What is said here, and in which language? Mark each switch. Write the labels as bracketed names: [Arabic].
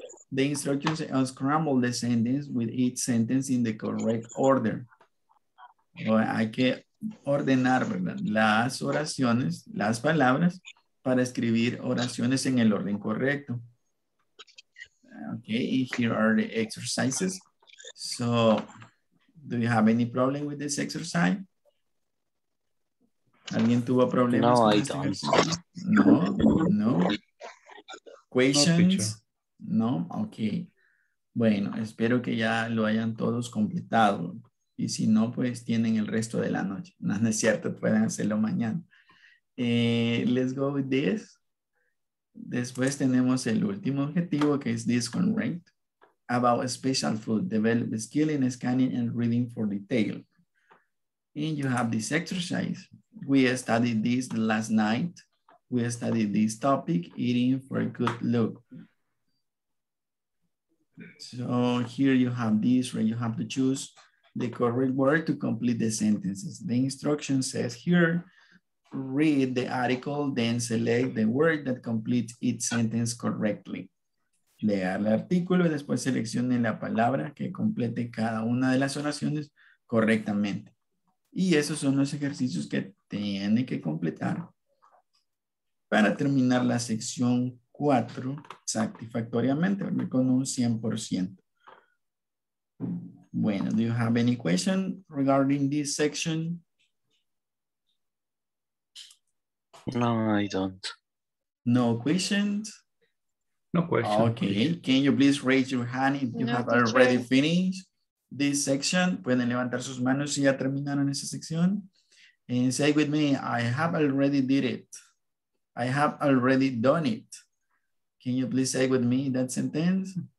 [English] The instructions unscramble the sentence with each sentence in the correct order. [Spanish] Bueno, hay que ordenar, ¿verdad? Las oraciones, las palabras, para escribir oraciones en el orden correcto. [English] Okay, and here are the exercises. So, do you have any problem with this exercise? [Spanish] ¿Alguien tuvo problemas? No, con [English] I don't. No, no. Questions? No, no, okay. [Spanish] Bueno, espero que ya lo hayan todos completado. Y si no, pues tienen el resto de la noche. No, no es cierto, pueden hacerlo mañana. [English] Let's go with this. [Spanish] Después tenemos el último objetivo, que es [English] this one, right? About special food, develop skill in scanning and reading for detail. And you have this exercise. We studied this the last night. We studied this topic, eating for a good look. So here you have this, right? You have to choose the correct word to complete the sentences. The instruction says here, read the article, then select the word that completes its sentence correctly. [Spanish] Lea el artículo y después seleccione la palabra que complete cada una de las oraciones correctamente. Y esos son los ejercicios que tiene que completar para terminar la sección 4 satisfactoriamente, con un 100%. Bueno, [English] do you have any question regarding this section? No, I don't. No questions? No questions. Okay, can you please raise your hand if you have already finished this section? [Spanish] Pueden levantar sus manos si ya terminaron esa sección. [English] And say with me, I have already did it. I have already done it. Can you please say with me that sentence?